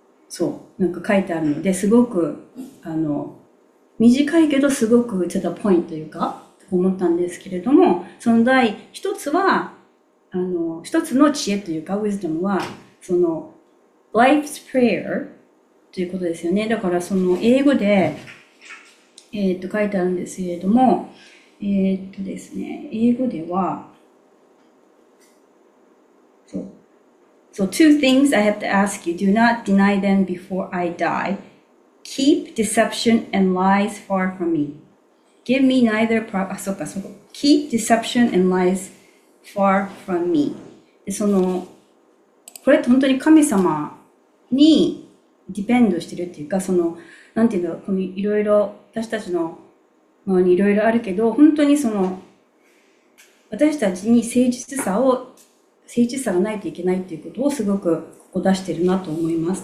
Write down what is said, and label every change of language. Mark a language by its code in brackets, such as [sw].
[ja] そう、なんか書いてあるので、すごく短いけどすごくちょっとポイントというか思ったんですけれども、その第一つは一つの知恵というか、ウィズドムはその Life's Prayer ということですよね。だからその英語で書いてあるんですけれども、ですね、英語では [en] So, two things I have to ask you. Do not deny them before I die. Keep deception and lies far from me. Give me neither keep deception and lies far from me. [ja] で、これって本当に神様にディペンドしてるっていうか、なんていうんだろう、このいろいろ、私たちの周りにいろいろあるけど、本当に私たちに誠実さを、誠実さがないといけないっていうことをすごくここ出してるなと思います。